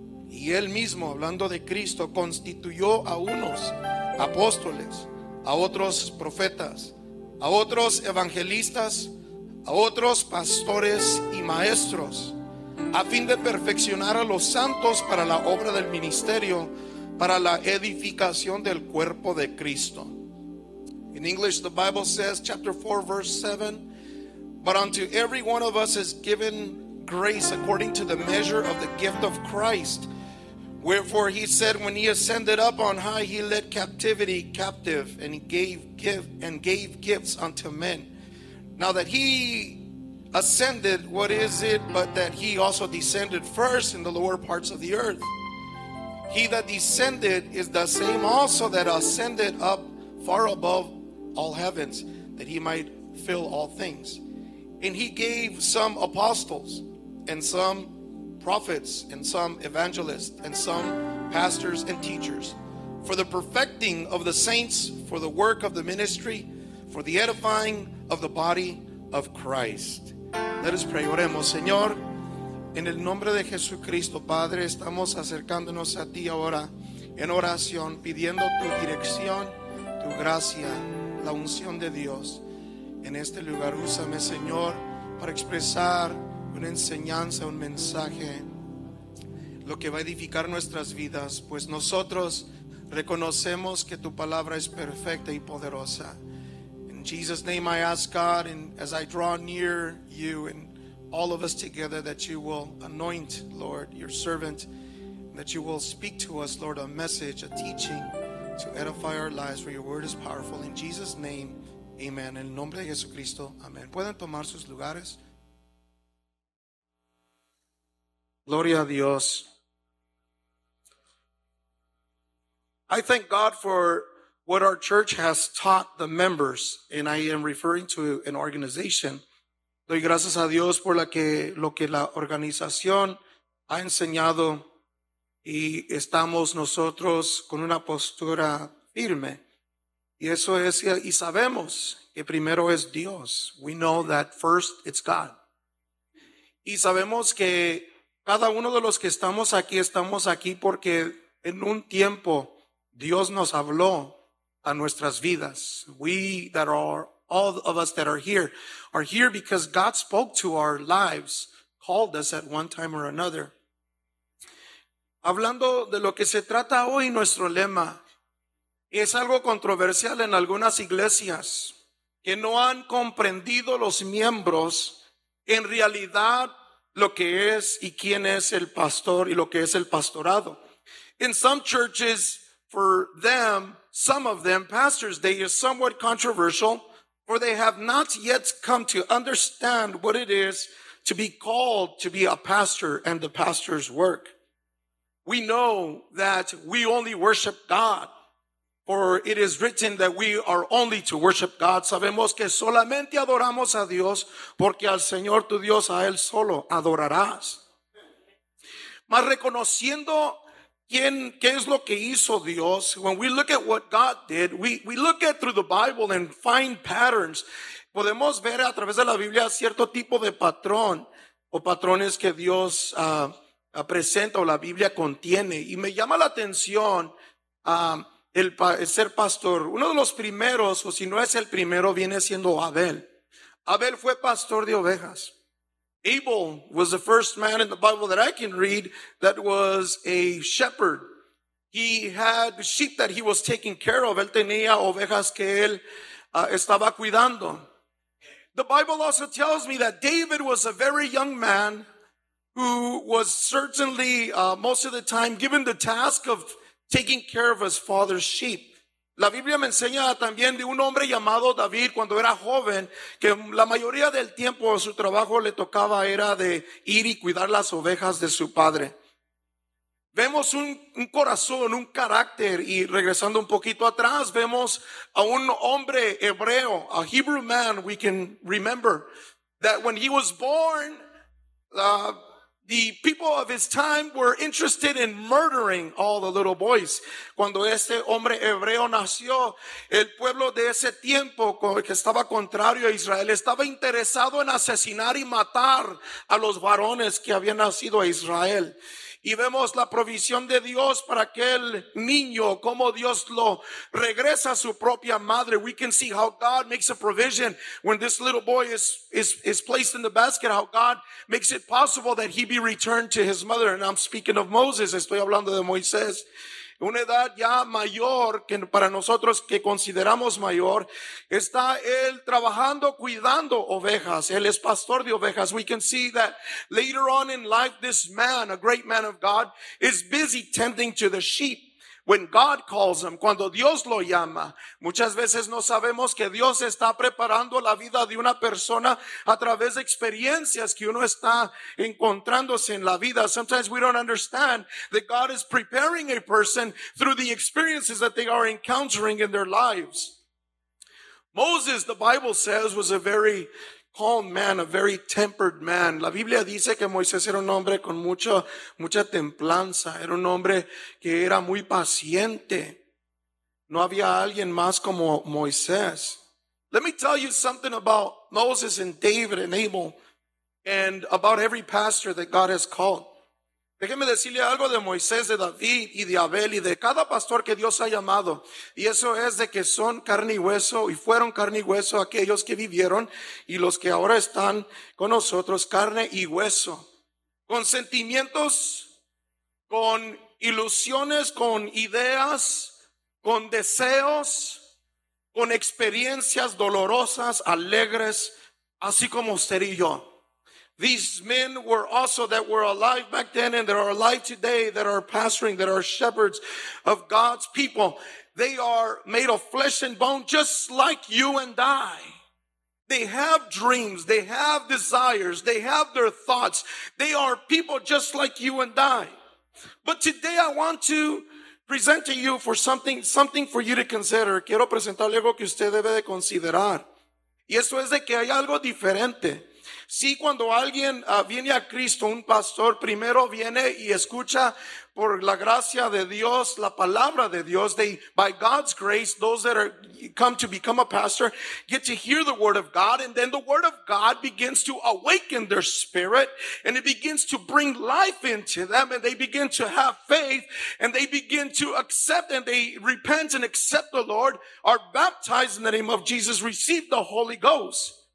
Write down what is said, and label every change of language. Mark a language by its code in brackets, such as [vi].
[es] Y él mismo, hablando de Cristo, constituyó a unos apóstoles, a otros profetas, a otros evangelistas, a otros pastores y maestros, a fin de perfeccionar a los santos para la obra del ministerio, para la edificación del cuerpo de Cristo. [en] In English, the Bible says, chapter 4, verse 7, But unto every one of us is given grace according to the measure of the gift of Christ. Wherefore he said, when he ascended up on high, he led captivity captive and gave gifts unto men. Now that he ascended, what is it but that he also descended first in the lower parts of the earth? He that descended is the same also that ascended up far above all heavens, that he might fill all things. And he gave some apostles and some prophets and some evangelists and some pastors and teachers for the perfecting of the saints, for the work of the ministry, for the edifying of the body of Christ. Let us pray. [es] Oremos, Señor, en el nombre de Jesucristo, Padre, estamos acercándonos a ti ahora en oración, pidiendo tu dirección, tu gracia, la unción de Dios. En este lugar, úsame, Señor, para expresar una enseñanza, un mensaje, lo que va a edificar nuestras vidas, pues nosotros reconocemos que tu palabra es perfecta y poderosa. [en] In Jesus' name I ask, God, and as I draw near you and all of us together, that you will anoint, Lord, your servant, that you will speak to us, Lord, a message, a teaching to edify our lives, for your word is powerful. In Jesus' name, amen. [es] En el nombre de Jesucristo, amén. Pueden tomar sus lugares. Gloria a Dios. [en] I thank God for what our church has taught the members, and I am referring to an organization. [es] Doy gracias a Dios por lo que la organización ha enseñado, y estamos nosotros con una postura firme. Y eso es, y sabemos que primero es Dios. [en] We know that first it's God. [es] Y sabemos que cada uno de los que estamos aquí porque en un tiempo Dios nos habló a nuestras vidas. [en] We that are, all of us that are here because God spoke to our lives, called us at one time or another. [es] Hablando de lo que se trata hoy, nuestro lema es algo controversial en algunas iglesias que no han comprendido los miembros en realidad lo que es y quién es el pastor y lo que es el pastorado. [en] In some churches, for them, some of them, pastors, they are somewhat controversial, for they have not yet come to understand what it is to be called to be a pastor and the pastor's work. We know that we only worship God. For it is written that we are only to worship God. [es] Sabemos que solamente adoramos a Dios, porque al Señor tu Dios a Él solo adorarás. Mas reconociendo quién, qué es lo que hizo Dios, [en] when we look at what God did, we look at through the Bible and find patterns. [es] Podemos ver a través de la Biblia cierto tipo de patrón o patrones que Dios presenta o la Biblia contiene. Y me llama la atención el ser pastor. Uno de los primeros, o si no es el primero, viene siendo Abel. Abel fue pastor de ovejas. [en] Abel was the first man in the Bible that I can read that was a shepherd. He had sheep that he was taking care of. [es] Él tenía ovejas que él estaba cuidando. [en] The Bible also tells me that David was a very young man who was certainly most of the time given the task of taking care of his father's sheep. [es] La Biblia me enseña también de un hombre llamado David cuando era joven, que la mayoría del tiempo su trabajo le tocaba era de ir y cuidar las ovejas de su padre. Vemos un corazón, un carácter, y regresando un poquito atrás, vemos a un hombre hebreo, [en] a Hebrew man, we can remember, that when he was born, the people of his time were interested in murdering all the little boys. [es] Cuando este hombre hebreo nació, el pueblo de ese tiempo, que estaba contrario a Israel, estaba interesado en asesinar y matar a los varones que habían nacido a Israel. Y vemos la provisión de Dios para aquel niño, como Dios lo regresa a su propia madre. [en] We can see how God makes a provision when this little boy is placed in the basket, how God makes it possible that he be returned to his mother. And I'm speaking of Moses, [es] estoy hablando de Moisés. Una edad ya mayor, que para nosotros que consideramos mayor, está él trabajando, cuidando ovejas. Él es pastor de ovejas. [en] We can see that later on in life, this man, a great man of God, is busy tending to the sheep. When God calls him, [es] cuando Dios lo llama, muchas veces no sabemos que Dios está preparando la vida de una persona a través de experiencias que uno está encontrándose en la vida. [en] Sometimes we don't understand that God is preparing a person through the experiences that they are encountering in their lives. Moses, the Bible says, was a very calm man, a very tempered man. [es] La Biblia dice que Moisés era un hombre con mucha templanza. Era un hombre que era muy paciente. No había alguien más como Moisés. [en] Let me tell you something about Moses and David and Abel and about every pastor that God has called. [es] Déjeme decirle algo de Moisés, de David y de Abel y de cada pastor que Dios ha llamado. Y eso es de que son carne y hueso y fueron carne y hueso aquellos que vivieron y los que ahora están con nosotros, carne y hueso. Con sentimientos, con ilusiones, con ideas, con deseos, con experiencias dolorosas, alegres, así como usted y yo. [en] These men were also that were alive back then and that are alive today, that are pastoring, that are shepherds of God's people. They are made of flesh and bone just like you and I. They have dreams. They have desires. They have their thoughts. They are people just like you and I. But today I want to present to you for something for you to consider. [es] Quiero presentarle algo que usted debe de considerar. Y esto es de que hay algo diferente. Sí, cuando alguien viene a Cristo, un pastor primero viene y escucha por la gracia de Dios, la palabra de Dios. [en] They, by God's grace, those that are come to become a pastor get to hear the word of God, and then the word of God begins to awaken their spirit, and it begins to bring life into them, and they begin to have faith, and they begin to accept, and they repent and accept the Lord, are baptized in the name of Jesus, receive the Holy Ghost.